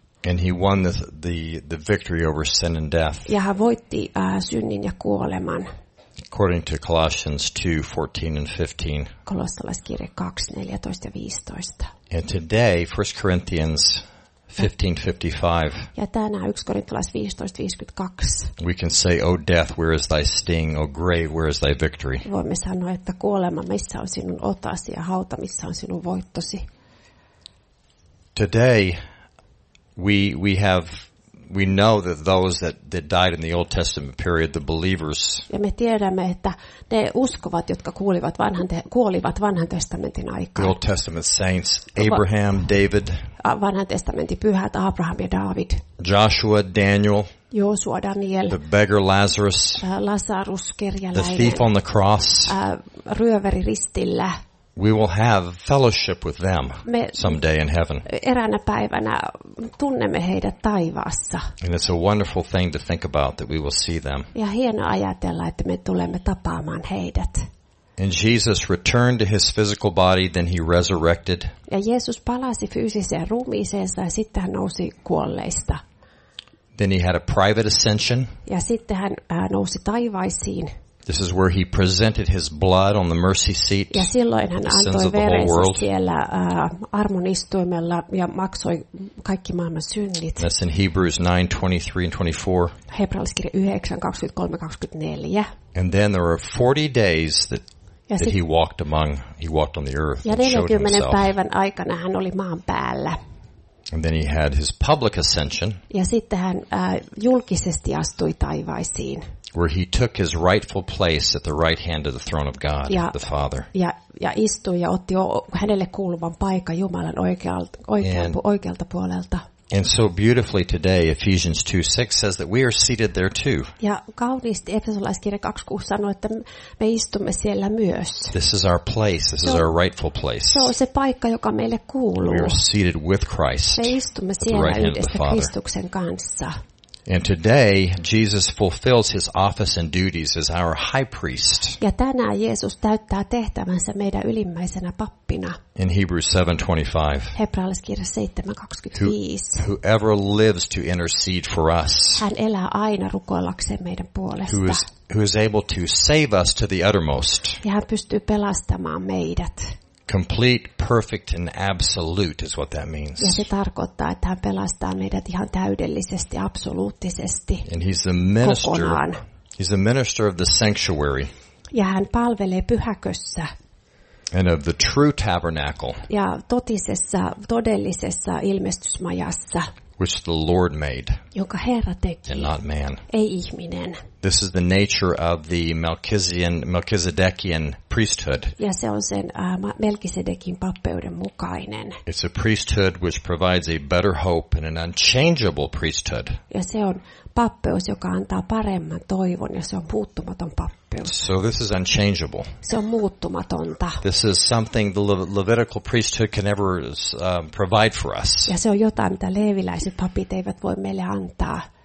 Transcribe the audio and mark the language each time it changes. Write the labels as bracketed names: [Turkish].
[English] And he won the victory over sin and death. [Finnish] Ja hän voitti synnin ja kuoleman. [English] According to Colossians 2:14-15. [Finnish] Kolossalaiskirje 2:14-15. [English] And today, 1 Corinthians 15:55. [Finnish] Ja tänään 1 Korintolaiskirje 15:52. [English] We can say, O death, where is thy sting? O grave, where is thy victory? [Finnish] Voimme sanoa, että kuolema, missä on sinun otasi, ja hauta, missä on sinun voittosi. [English] Today, we know that those that died in the Old Testament period, the believers. [Finnish] Ja me tiedämme, että ne uskovat, jotka kuolivat vanhan testamentin aikaan. [English] The Old Testament saints, Abraham, David. [Finnish] Vanhan testamentin pyhät, Abraham ja David. [English] Joshua, Daniel. [Finnish] Joshua, Daniel. [English] The beggar Lazarus. [Finnish] Lazarus, kerjäläinen. [English] The thief on the cross. [Finnish] Ryöväri ristillä. [English] We will have fellowship with them someday in heaven. [Finnish] Eräänä päivänä tunnemme heidät taivaassa. [English] And it's a wonderful thing to think about that we will see them. [Finnish] Ja hieno ajatella, että me tulemme tapaamaan heidät. [English] And Jesus returned to his physical body, then he resurrected. [Finnish] Ja Jeesus palasi fyysiseen ruumiiseensa ja sitten hän nousi kuolleista. [English] Then he had a private ascension. [Finnish] Ja sitten hän nousi taivaisiin. [English] This is where he presented his blood on the mercy seat. [Finnish] Ja silloin hän antoi verensä siellä armon istuimella ja maksoi kaikki maailman synnit. [English] That's in Hebrews 9:23-24. [Finnish] Hebrealaiskirja 9:23-24. [English] And then there were 40 days that he walked on the earth. [Finnish] Ja 40 päivän aikana hän oli maan päällä. [English] And then he had his public ascension. [Finnish] Ja sitten hän julkisesti astui taivaisiin. [English] Where he took his rightful place at the right hand of the throne of God, [Finnish] ja, [English] the Father. [Finnish] Ja istui ja otti hänelle kuuluvan paikan Jumalan oikealta puolelta. [English] And so beautifully today, Ephesians 2:6 says that we are seated there too. [Finnish] Ja kauniisti Efesolaiskirja 2:6 sanoo, että me istumme siellä myös. [English] This is our place. This is our rightful place. [Finnish] Se on se paikka, joka meille kuuluu. [English] We are seated with Christ. [Finnish] Me istumme siellä yhdessä Kristuksen kanssa. [English] And today Jesus fulfills his office and duties as our high priest. [Finnish] Ja tänään Jeesus täyttää tehtävänsä meidän ylimmäisenä pappina. [English] In Hebrews 7:25. [Finnish] Hebrealaiskirja 7:25. [English] Whoever lives to intercede for us. [Finnish] Hän elää aina rukoillakseen meidän puolesta. [English] Who is able to save us to the uttermost. [Finnish] Ja hän pystyy pelastamaan meidät. [English] Complete, perfect and absolute is what that means. [Finnish] Ja se tarkoittaa, että hän pelastaa meidät ihan täydellisesti, absoluuttisesti. [English] And he's the minister. [Finnish] Kokonaan. [English] He's the minister of the sanctuary. [Finnish] Ja hän palvelee pyhäkössä. [English] And of the true tabernacle. [Finnish] Ja totisessa, todellisessa ilmestysmajassa. [English] Which the Lord made. [Finnish] Jonka Herra teki. [English] And not man. [Finnish] Ei ihminen. [English] This is the nature of the Melchizedekian priesthood. [Finnish] Ja se on sen Melkisedekin pappeuden mukainen. [English] It's a priesthood which provides a better hope and an unchangeable priesthood. [Finnish] Ja se on pappeus, joka antaa paremman toivon, ja se on muuttumaton pappeus. [English] So this is unchangeable. [Finnish] Se on muuttumatonta. [English] This is something the Levitical priesthood can never provide for us. [Finnish] Ja se on jotain, mitä leeviläiset papit eivät voi meille antaa.